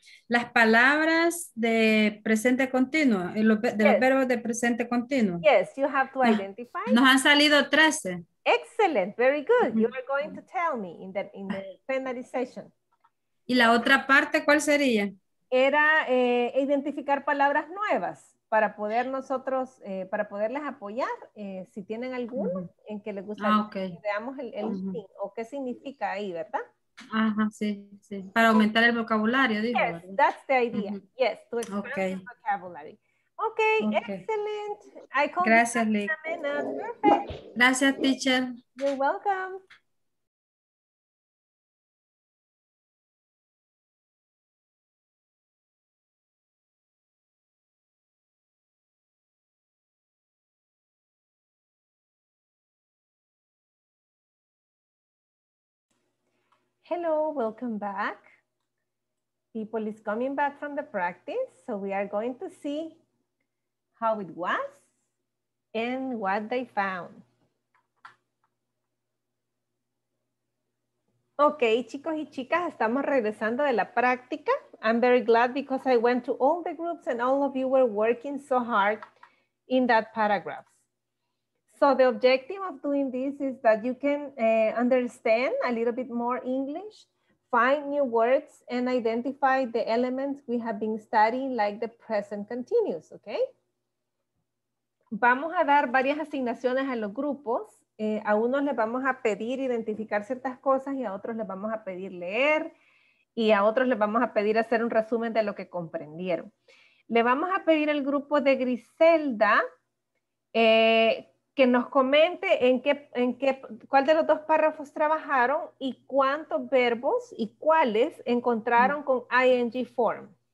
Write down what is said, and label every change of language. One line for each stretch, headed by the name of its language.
Spanish: las palabras de presente continuo, de los verbos de presente continuo.
English: Yes, you have to identify.
Spanish: Nos han salido 13.
English: Excellent, very good. You are going to tell me in the penalty session.
Spanish: ¿Y la otra parte cuál sería? Era identificar palabras nuevas para poder nosotros, para poderles apoyar, si tienen alguno en que les gustaría que veamos el fin o qué significa ahí, ¿verdad? Ajá, sí, sí. Para aumentar el vocabulario, digo.
English: Yes, that's the idea. Uh-huh. Yes, to expand the vocabulary. Okay, excellent. I call
Spanish: gracias, Lee.
English: Perfect.
Spanish: Gracias, teacher.
English: You're welcome. Hello, welcome back. People is coming back from the practice. So we are going to see how it was and what they found.
Spanish: Okay, chicos y chicas, estamos regresando de la práctica.
English: I'm very glad because I went to all the groups and all of you were working so hard in that paragraph. So the objective of doing this is that you can understand a little bit more English, find new words, and identify the elements we have been studying, like the present continuous, okay?
Spanish: Vamos a dar varias asignaciones a los grupos. A unos les vamos a pedir identificar ciertas cosas y a otros les vamos a pedir leer y a otros les vamos a pedir hacer un resumen de lo que comprendieron. Le vamos a pedir al grupo de Griselda que nos comente cuál de los dos párrafos trabajaron y cuántos verbos y cuáles encontraron con ing form.